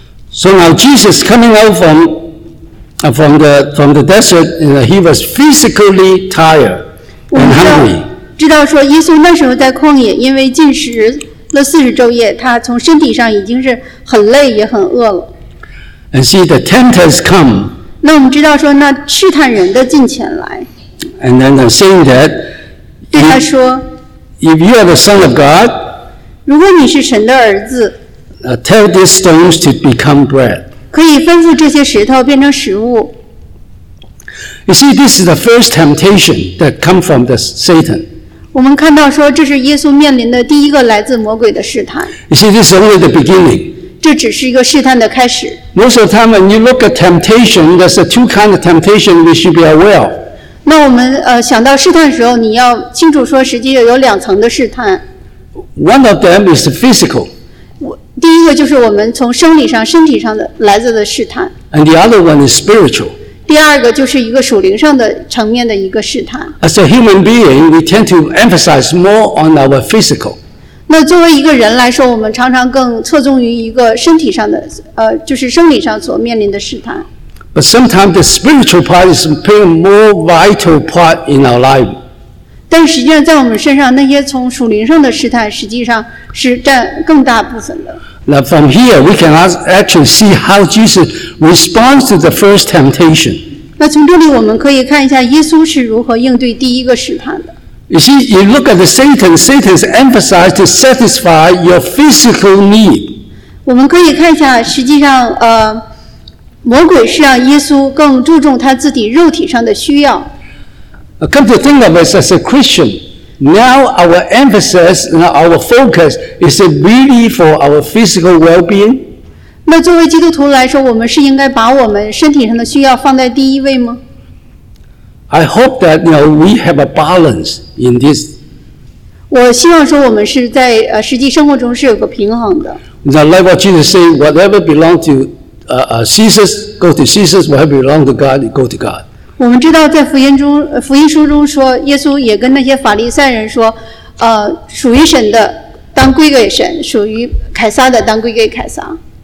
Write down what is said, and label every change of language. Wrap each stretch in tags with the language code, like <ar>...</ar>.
<en>So now Jesus coming out from the desert, he was physically tired and hungry.</en> <zh>知道说耶稣那时候在旷野因为进食那四十昼夜，他从身体上已经是很累，也很饿了。</zh> <en>And see the tempters come.</en> <zh>那我们知道说，那试探人的进前来。</zh> <en>And then they say that.</en> <zh>对他说。</zh> <en>If you are the son of God.</en> <zh>如果你是神的儿子。</zh> <en>Tell these stones to become bread.</en> <zh>可以吩咐这些石头变成食物。</zh> <en>You see, this is the first temptation that come from the Satan.</en> <zh>我们看到说这是耶稣面临的第一个来自魔鬼的试探。</zh> <en>You see, this is only the beginning.</en> <zh>这只是一个试探的开始。</zh> <en>Most of the time when you look at temptation, there's a two kinds of temptation we should be aware of.</en> <zh>那我们想到试探的时候你要清楚说实际有两层的试探。</zh> <en>One of them is physical.</en> <zh>第一个就是我们从生理上身体上的来自的试探。</zh> <en>And the other one is spiritual.</en> <zh>第二个就是一个属灵上的层面的一个试探。</zh> <en>As a human being, we tend to emphasize more on our physical.</en> <zh>那作为一个人来说，我们常常更侧重于一个身体上的，就是生理上所面临的试探。</zh> <en>But sometimes the spiritual part is playing more vital part in our life.</en> <zh>但实际上，在我们身上那些从属灵上的试探，实际上是占更大部分的。</zh> <en>Now from here, we can actually see how Jesus responds to the first temptation.</en> <zh>那从这里我们可以看一下耶稣是如何应对第一个试探的。</zh> <en>You see, you look at the Satan. Satan is emphasized to satisfy your physical need.</en> <zh>我们可以看一下，实际上，魔鬼是让耶稣更注重他自己肉体上的需要。</zh> <en>Come to think of us as a Christian. Now our emphasis, our focus is really for our physical well-being.</en> <zh>那作为基督徒来说，我们是应该把我们身体上的需要放在第一位吗？</zh> <en>I hope that we have a balance in this.</en> <zh>我希望说我们是在实际生活中是有个平衡的。</zh> <en>Now, like what Jesus said, whatever belongs to Caesar, go to Caesar. Whatever belongs to God, go to God.</en> <zh>我们知道在福音书中说耶稣也跟那些法利赛人说属于神的当归给神属于凯撒的当归给凯撒。</zh>